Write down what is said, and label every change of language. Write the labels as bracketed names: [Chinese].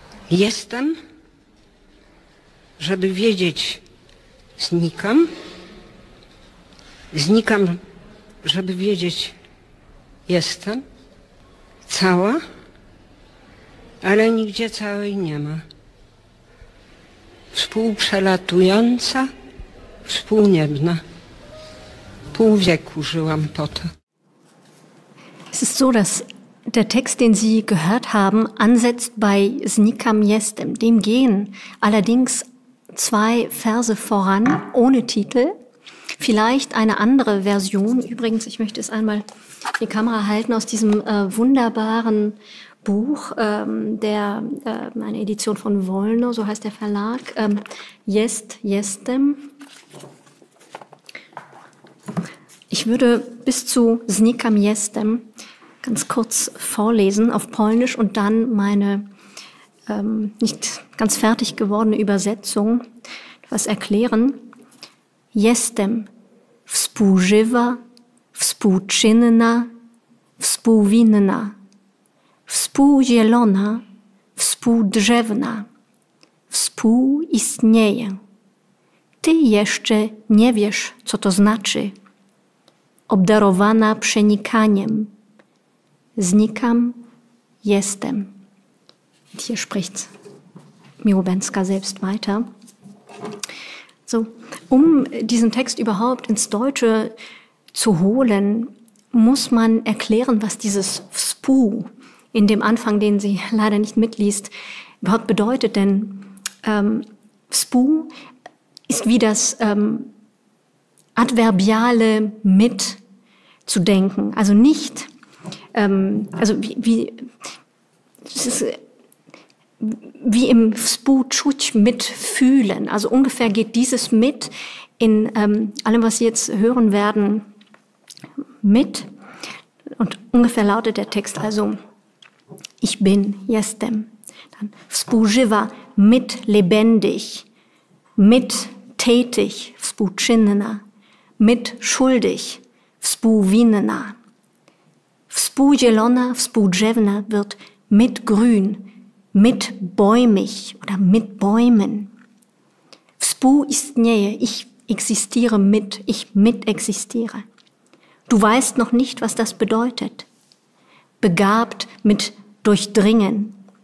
[Polish] Jestem, żeby wiedzieć, znikam, znikam, żeby wiedzieć, jestem cała, ale nigdzie całej nie ma. Współprzelatująca, współniebna. Pół wieku żyłam po to. [German] Es ist so, dass der Text, den Sie gehört haben, ansetzt bei znikam, jestem, dem Gehen, allerdings zwei Verse voran, ohne Titel, vielleicht eine andere Version. Übrigens, ich möchte es einmal die Kamera halten aus diesem wunderbaren Buch, der eine Edition von Wollner, so heißt der Verlag, Jestem. Ich würde bis zu Znikam Jestem ganz kurz vorlesen auf Polnisch und dann meine nicht ganz fertig gewordene Übersetzung etwas erklären. [Polish] Jestem, współżywa, współczynna, współwinna, współzielona, współdrzewna, współistnieje. Ty jeszcze nie wiesz, co to znaczy. Obdarowana przenikaniem. Znikam, jestem. [German] Und hier spricht Miłobędzka selbst weiter. So, um diesen Text überhaupt ins Deutsche zu holen, muss man erklären, was dieses Spu in dem Anfang, den sie leider nicht mitliest, überhaupt bedeutet. Denn Spu ist wie das Adverbiale mit zu denken. Also nicht, wie im Spuczuć mitfühlen. Also ungefähr geht dieses mit in allem, was Sie jetzt hören werden, mit. Und ungefähr lautet der Text also, ich bin, jestem. Dann współżywa, mit lebendig, mit tätig, współczynna, mit schuldig, współwinna. Współzielona, współdrzewna wird mit grün, mit bäumig oder mit Bäumen. Współistnieje, ich existiere mit, ich mit existiere. Du weißt noch nicht, was das bedeutet. Begabt mit Durchdringen.